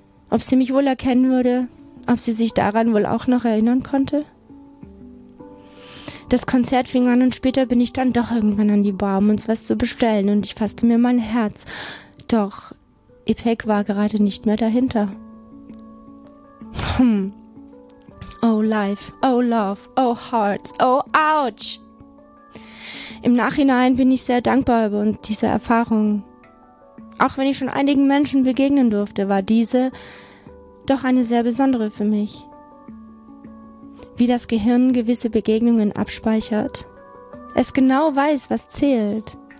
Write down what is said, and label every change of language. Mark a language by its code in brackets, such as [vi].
[de] Ob sie mich wohl erkennen würde, ob sie sich daran wohl auch noch erinnern konnte? Das Konzert fing an und später bin ich dann doch irgendwann an die Bar, um uns was zu bestellen und ich fasste mir mein Herz. Doch Ipek war gerade nicht mehr dahinter. [en] Oh life, oh love, oh heart, oh ouch. [de] Im Nachhinein bin ich sehr dankbar über diese Erfahrung. Auch wenn ich schon einigen Menschen begegnen durfte, war diese doch eine sehr besondere für mich. Wie das Gehirn gewisse Begegnungen abspeichert. Es genau weiß, was zählt.